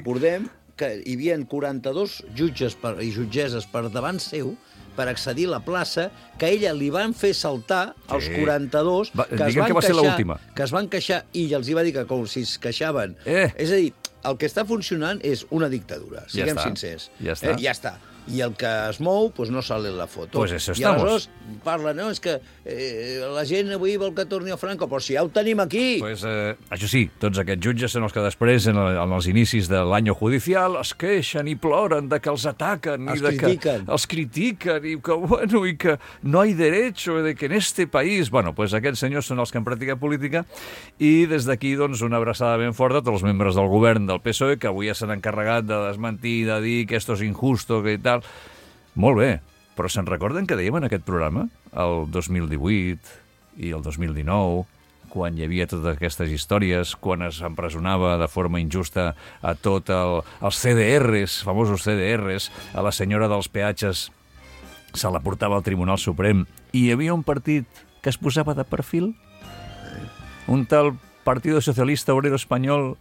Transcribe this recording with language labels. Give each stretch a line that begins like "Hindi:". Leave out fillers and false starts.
Catalan: Recordem que hi havia 42 jutges i jutgesses per davant seu per accedir a la plaça, que ella li van fer saltar els 42... Que es van queixar, i els hi va dir que com si es queixaven... És a dir, el que està funcionant és una dictadura, siguem sincers. Ja està. Ja està. i el que es mou,
Spanish: pues no sale la foto. Pues eso
Catalan: i aleshores parla, no? És que la gent avui vol que torni el Franco, però si ja ho tenim aquí... Pues, això sí, tots aquests jutges són els que després, en els inicis de l'any judicial, es queixen i ploren de que els ataquen. Els i de critiquen. Que els critiquen i que, bueno, i
Spanish: que no hay derecho de que en este país...
Catalan: Bueno, pues aquests senyors són els que han practicat política i des d'aquí, doncs, una abraçada ben forta a tots els membres del govern del PSOE que avui ja s'han encarregat de desmentir, de dir que
Spanish: esto es injusto, que tal...
Catalan: Molt bé, però se'n recorden que dèiem en aquest programa el 2018 i el 2019 quan hi havia totes aquestes històries, quan es empresonava de forma injusta a tot els CDRs, famosos CDRs, a la senyora dels peatges se la portava al Tribunal Suprem i hi havia un partit que es posava de perfil, un tal Partido Socialista Obrero Español,